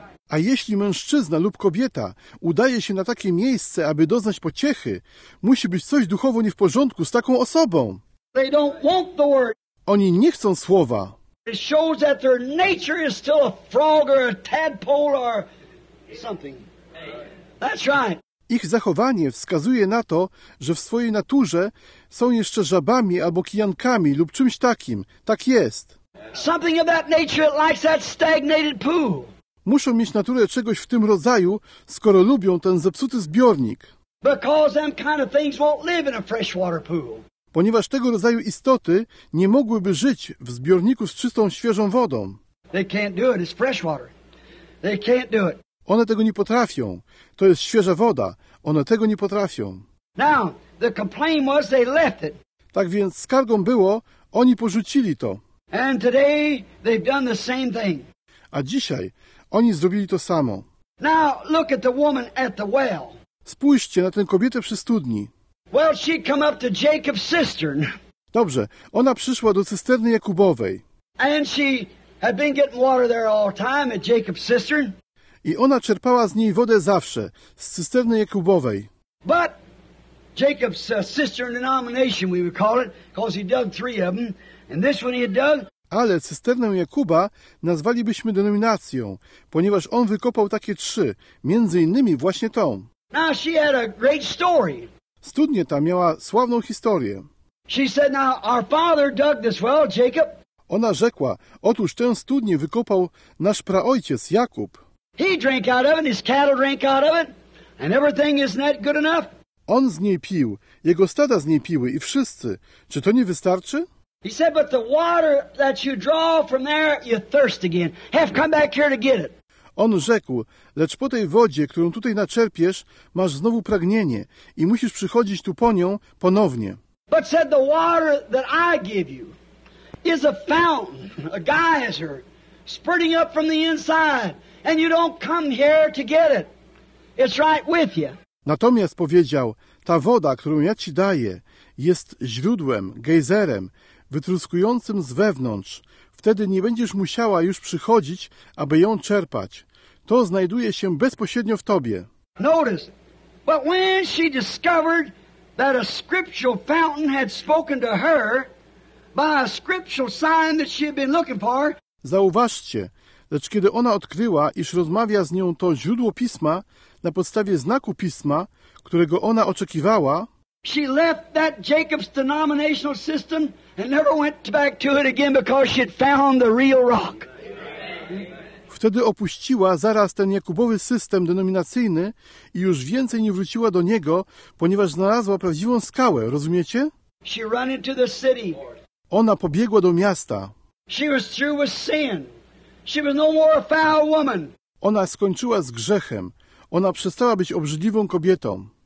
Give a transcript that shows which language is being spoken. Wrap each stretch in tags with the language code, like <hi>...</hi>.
<pl>A jeśli mężczyzna lub kobieta udaje się na takie miejsce, aby doznać pociechy, musi być coś duchowo nie w porządku z taką osobą.</pl> <en>They don't want the word.</en> <pl>Oni nie chcą słowa.</pl> <en>It shows that their nature is still a frog or a tadpole or something. That's right.</en> <pl>Ich zachowanie wskazuje na to, że w swojej naturze są jeszcze żabami albo kijankami lub czymś takim. Tak jest.</pl> <en>Something of that nature likes that stagnated pool.</en> <pl>Muszą mieć naturę czegoś w tym rodzaju, skoro lubią ten zepsuty zbiornik.</pl> <en>Because them kind of things won't live in a freshwater pool.</en> <pl>Ponieważ tego rodzaju istoty nie mogłyby żyć w zbiorniku z czystą, świeżą wodą.</pl> <en>They can't do it. It's fresh water. They can't do it.</en> <pl>One tego nie potrafią. To jest świeża woda. One tego nie potrafią.</pl> <en>Now, the complaint was they left it.</en> <pl>Tak więc skargą było, oni porzucili to.</pl> <en>And today they've done the same thing.</en> <pl>A dzisiaj oni zrobili to samo.</pl> <en>Now, look at the woman at the well.</en> <pl>Spójrzcie na tę kobietę przy studni.</pl> <en>Well, she come up to Jacob's cistern.</en> <pl>Dobrze, ona przyszła do cysterny Jakubowej.</pl> <en>And she had been getting water there all time at Jacob's cistern.</en> <pl>I ona czerpała z niej wodę zawsze, z cysterny Jakubowej.</pl> <en>But Jacob's cistern denomination, we would call it, because he dug three of them, and this one he had dug.</en> <pl>Ale cysternę Jakuba nazwalibyśmy denominacją, ponieważ on wykopał takie trzy, między innymi właśnie tą.</pl> <en>Now she had a great story.</en> <pl>Studnia ta miała sławną historię.</pl> <en>She said, now our father dug this well, Jacob.</en> <pl>Ona rzekła, otóż tę studnię wykopał nasz praojciec Jakub.</pl> <en>He drank out of it, his cattle drank out of it, and everything isn't that good enough?</en> <pl>On z niej pił, jego stada z niej piły i wszyscy. Czy to nie wystarczy?</pl> <en>He said, but the water that you draw from there, you thirst again. Have come back here to get it.</en> <pl>On rzekł, lecz po tej wodzie, którą tutaj naczerpiesz, masz znowu pragnienie i musisz przychodzić tu po nią ponownie.</pl> <en>But said, the water that I give you is a fountain, a geyser, spurting up from the inside, and you don't come here to get it. It's right with you.</en> <pl>Natomiast powiedział, ta woda, którą ja ci daję, jest źródłem, gejzerem, wytruskującym z wewnątrz. Wtedy nie będziesz musiała już przychodzić, aby ją czerpać. To znajduje się bezpośrednio w tobie.</pl> <en>Notice, but when she discovered that a scriptural fountain had spoken to her by a scriptural sign that she had been looking for.</en> <pl>Zauważcie, lecz kiedy ona odkryła, iż rozmawia z nią to źródło pisma na podstawie znaku pisma, którego ona oczekiwała,</pl> <en>she left that Jacob's denominational system and never went back to it again because she had found the real rock.</en> <pl>Wtedy opuściła zaraz ten Jakubowy system denominacyjny i już więcej nie wróciła do niego, ponieważ znalazła prawdziwą skałę, rozumiecie?</pl> <en>She ran into the city.</en> <pl>Ona pobiegła do miasta.</pl> <en>She was through with sin. She was no more a foul woman.</en> <pl>Ona skończyła z grzechem. Ona przestała być obrzydliwą kobietą.</pl>